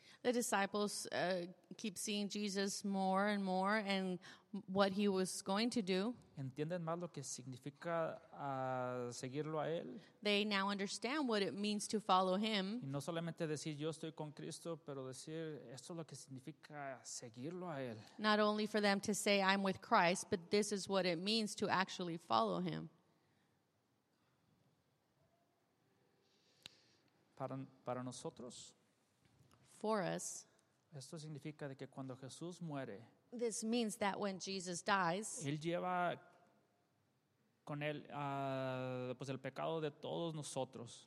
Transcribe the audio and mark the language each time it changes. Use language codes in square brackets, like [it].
[en] The disciples keep seeing Jesus more and more and what he was going to do. [es] ¿Entienden más lo que significa seguirlo a él? [en] They now understand what it means to follow him. [es] Y no solamente decir yo estoy con Cristo, pero decir esto es lo que significa seguirlo a él. [en] Not only for them to say I'm with Christ, but this is what it means to actually follow him. [es] Para nosotros, [en] for us, [es] esto significa de que cuando Jesús muere, [en] this means that when Jesus dies, [es] él lleva con él pues el pecado de todos nosotros.